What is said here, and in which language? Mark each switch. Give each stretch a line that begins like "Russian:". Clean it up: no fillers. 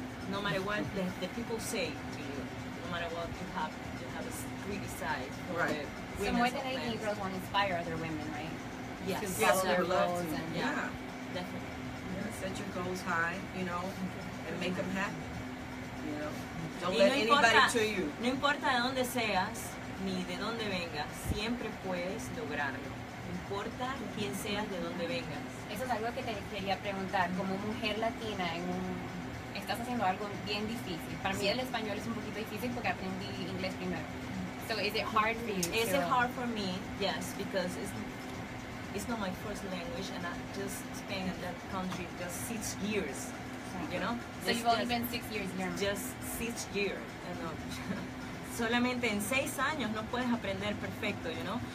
English: No matter what the people say to you, no matter what you have a greedy side. Right. So more than any girls want to inspire other women, right? Yes. Yes. Yes. Their loved. Goals and, definitely. Yeah. Set your goals high, you know, and make them happen. You know, don't let anybody to you.
Spanish: No importa de donde seas, ni de donde vengas, siempre puedes lograrlo. No importa quién seas, de dónde vengas. Eso es algo que te quería preguntar. Como mujer latina, estás haciendo algo bien difícil. Para mí el español es un poquito difícil porque aprendí inglés primero.
English: So is it hard for you? Is it hard for me? Yes, because it's not my first language, and I just spent in that country just 6 years. You know? So you've only been 6 years here. Just 6 years. You know?
Spanish: Solamente en 6 años no puedes aprender perfecto, you know?